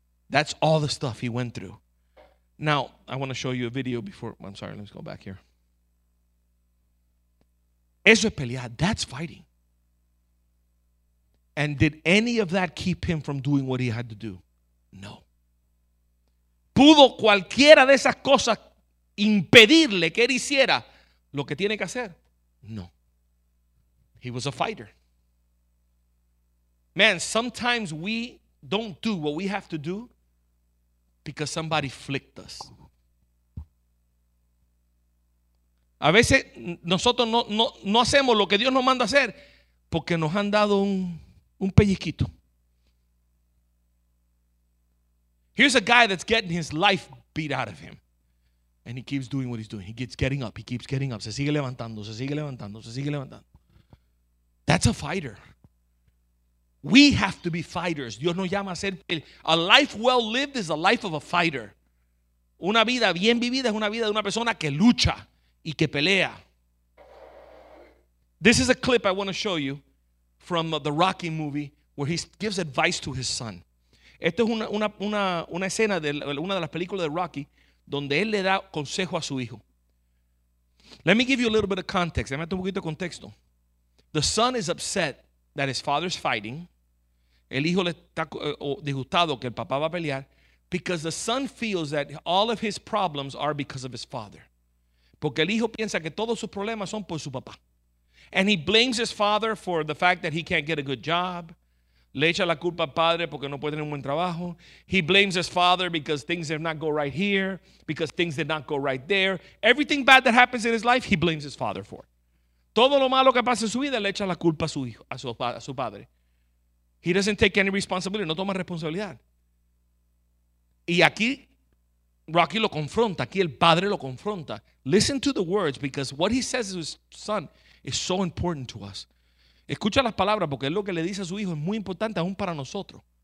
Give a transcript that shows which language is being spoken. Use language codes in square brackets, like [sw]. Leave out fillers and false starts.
[en] That's all the stuff he went through. Now, I want to show you a video before. I'm sorry, let me go back here. [es] Eso es pelear. [en] That's fighting. And did any of that keep him from doing what he had to do? No. [es] ¿Pudo cualquiera de esas cosas impedirle que él hiciera lo que tiene que hacer? [en] No. He was a fighter. Man, sometimes we don't do what we have to do because somebody flicked us. [es] A veces nosotros no hacemos lo que Dios nos manda hacer porque nos han dado un pellizquito. [en] Here's a guy that's getting his life beat out of him. And he keeps doing what he's doing. He keeps getting up. [es] Se sigue levantando. [en] That's a fighter. We have to be fighters. [es] Dios nos llama a ser. [en] A life well lived is a life of a fighter. [es] Una vida bien vivida es una vida de una persona que lucha y que pelea. [en] This is a clip I want to show you from the Rocky movie where he gives advice to his son. [es] Esto es una escena de una de las películas de Rocky donde él le da consejo a su hijo. [en] Let me give you a little bit of context. [es] Dame un poquito de contexto. [en] The son is upset that his father's fighting. [es] El hijo le está disgustado que el papá va a pelear [en] because the son feels that all of his problems are because of his father. [es] Porque el hijo piensa que todos sus problemas son por su papá. [en] And he blames his father for the fact that he can't get a good job. [es] Le echa la culpa al padre porque no puede tener un buen trabajo. [en] He blames his father because things did not go right here, because things did not go right there. Everything bad that happens in his life, he blames his father for. [es] Todo lo malo que pasa en su vida, le echa la culpa a su hijo, a su padre. [en] He doesn't take any responsibility. [es] No toma responsabilidad. Y aquí Rocky lo confronta. Aquí el padre lo confronta. [en] Listen to the words because what he says to his son is so important to us. [es] Escucha las palabras porque es lo que le dice a su hijo es muy importante aún para nosotros.